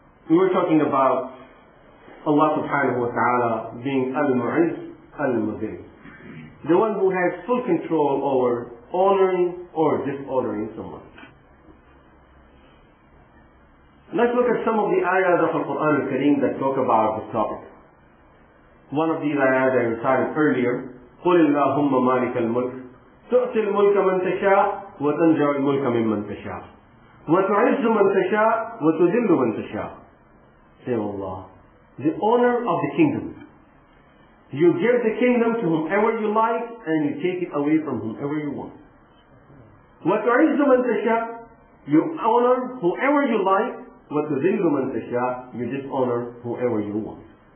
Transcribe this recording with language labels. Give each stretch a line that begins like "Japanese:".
English: We were talking about Allah subhanahu wa ta'ala being Al-Mu'izz, Al-Mudhil. The one who has full control over honoring or dishonoring someone. Let's look at some of the ayahs of Al-Quran al-Kareem that talk about this topic. One of these ayahs I recited earlier,
Arabic: قُلِ اللَّهُمَّ مَالِكَ الْمُلْكِ تُعْتِ الْمُلْكَ مَنْ تَشَاءُ وَتَنْجَعُ الْمُلْكَ مِمَّنْ تَشَاءُ وَتُعِزُّ مَنْ تَشَاءُ وَتُذِلُّ مَنْ تَشَاءُ.
English: Say, Allah, the owner of the kingdom. You give the kingdom to whomever you like and you take it away from whomever you want.
Arabic: وَتُعِزُّ مَنْ تَشَاءُ.
English: You honor whoever you like.
Arabic: وَتُذِلُّ مَنْ تَشَاءُ.
English: You dishonor whoever you want.